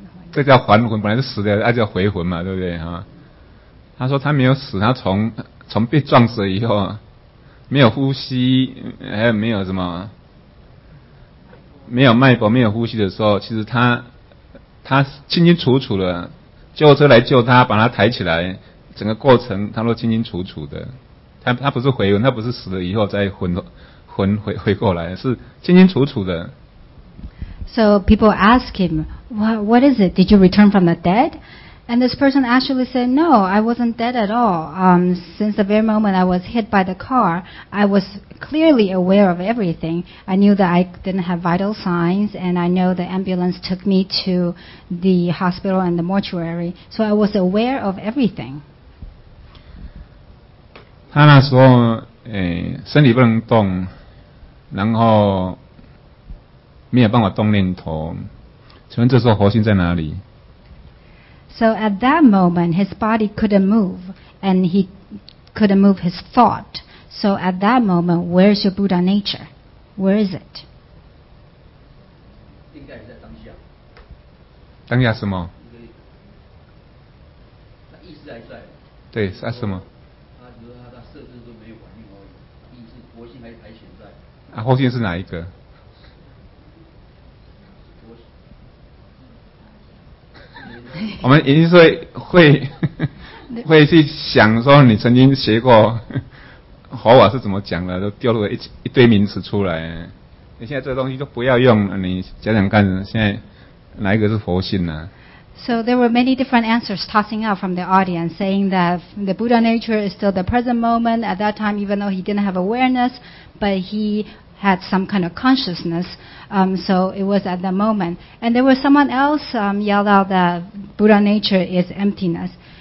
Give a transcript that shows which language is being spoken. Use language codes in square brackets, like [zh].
[zh] 这叫还魂，本来是死的，那叫回魂嘛，对不对？哈、啊。他说他没有死，他从被撞死以后，没有呼吸，还有没有什么，没有脉搏，没有呼吸的时候，其实他清清楚楚的，救护车来救他，把他抬起来，整个过程他都清清楚楚的。他不是回魂，他不是死了以后再魂回过来，是清清楚楚的。 [en] So people ask him, what is it? Did you return from the dead? And this person actually said, no, I wasn't dead at all. Since the very moment I was hit by the car, I was clearly aware of everything. I knew that I didn't have vital signs, and I know the ambulance took me to the hospital and the mortuary. So I was aware of everything. [zh] 他那时候，身体不能动，然后没有办法动念头，请问这时候佛性在哪里？ [en] So at that moment his body couldn't move and he couldn't move his thought. So at that moment, where's your Buddha nature? Where is it? [zh] 应该在当下。当下什么？意识还在。对，是什么？他设置都没有反应，意识佛性还显在。啊，佛性是哪一个？我们已经是会去想说，你曾经学过佛法是怎么讲的，都丢了一堆名词出来。你现在这东西都不要用，你想想看，现在哪一个是佛性呢？ [en] So there were many different answers tossing out from the audience, saying that the Buddha nature is still the present moment. At that time, even though he didn't have awareness, but he had some kind of consciousness, so it was at that moment. And there was someone else yelled out that Buddha nature is emptiness.